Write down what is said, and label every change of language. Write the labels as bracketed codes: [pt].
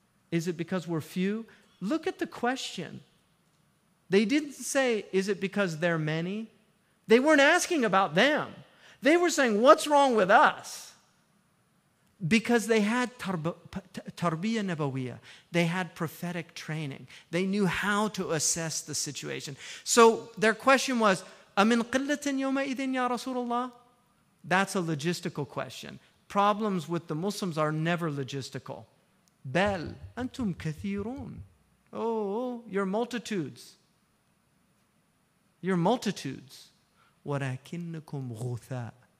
[en] Is it because we're few? Look at the question. They didn't say, is it because they're many? They weren't asking about them. They were saying, what's wrong with us? Because they had tarbiyah nabawiyah. They had prophetic training. They knew how to assess the situation. So their question was, [ar] أَمِنْ قِلَّةٍ يَوْمَئِذٍ يَا رَسُولَ اللَّهِ? [en] That's a logistical question. Problems with the Muslims are never logistical. [ar] بَلْ أَنْتُمْ كَثِيرُونَ. [en] Oh, you're multitudes. You're multitudes. [ar] وَلَكِنَّكُمْ غُثَاءٌ.